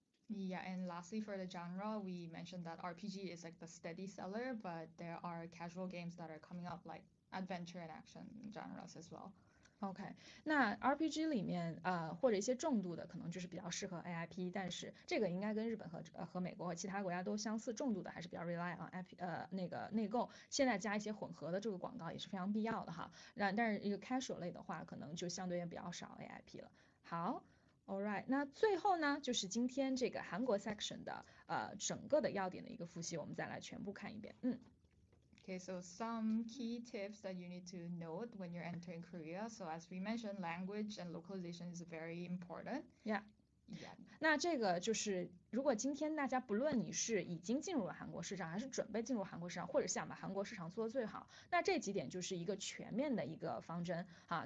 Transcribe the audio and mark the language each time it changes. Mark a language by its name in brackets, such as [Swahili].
[English] Yeah, and lastly for the genre, we mentioned that RPG is like the steady seller, but there are casual games that are coming up like adventure and action genres as well. [Chinese] OK， 那 RPG 里面或者一些重度的，可能就是比较适合 AIP，但是这个应该跟日本和美国和其他国家都相似，重度的还是比较 [English] rely on IP [Chinese] 那个内购，现在加一些混合的这个广告也是非常必要的哈。那但是一个 casual 类的话，可能就相对也比较少 AIP 了。好，All right，那最后呢，就是今天这个韩国 section 的整个的要点的一个复习，我们再来全部看一遍，嗯。 [English] Okay, so some key tips that you need to note when you're entering Korea. So as we mentioned, language and localization is very important. Yeah， Yeah. [Chinese] 那这个就是，如果今天大家不论你是已经进入了韩国市场，还是准备进入韩国市场，或者想把韩国市场做得最好，那这几点就是一个全面的一个方针啊。